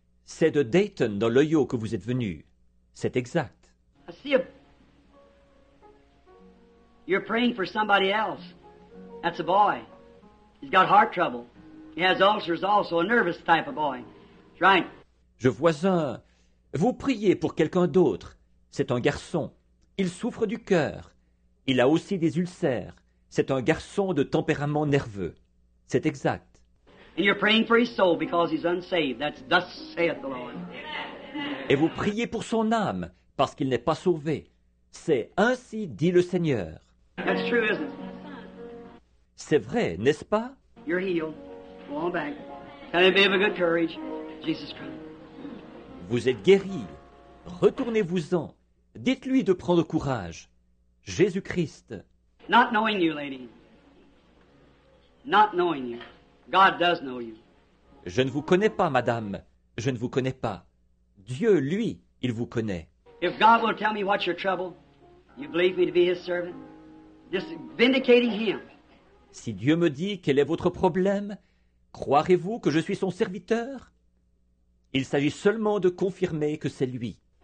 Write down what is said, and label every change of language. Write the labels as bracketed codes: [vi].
[fr] C'est de Dayton, dans l'Ohio, que vous êtes venu. C'est exact. [en] I see a... You're praying for somebody else. That's a boy. He's got heart trouble. He has ulcers also, a nervous type of boy. That's right. [fr] Je vois un... Vous priez pour quelqu'un d'autre. C'est un garçon. Il souffre du cœur. Il a aussi des ulcères. C'est un garçon de tempérament nerveux. C'est exact. [en] And you're praying for his soul because he's unsaved. That's thus saith the Lord. [fr] Et vous priez pour son âme parce qu'il n'est pas sauvé. C'est ainsi dit le Seigneur. [en] That's true, isn't it? [fr] C'est vrai, n'est-ce pas? [en] You're healed. Go on back. Can I be of a good courage? Jesus Christ. [fr] Vous êtes guéri. Retournez-vous-en. Dites-lui de prendre courage. Jésus-Christ. [en] Not knowing you, lady. Not knowing you. God does know you. [fr] Je ne vous connais pas, madame. Je ne vous connais pas. Dieu, lui, il vous connaît. [en] If God will tell me what's your trouble, you believe me to be his servant? Just vindicating him. [fr] Si Dieu me dit quel est votre problème, croirez-vous que je suis son serviteur? Il s'agit seulement de confirmer que c'est lui.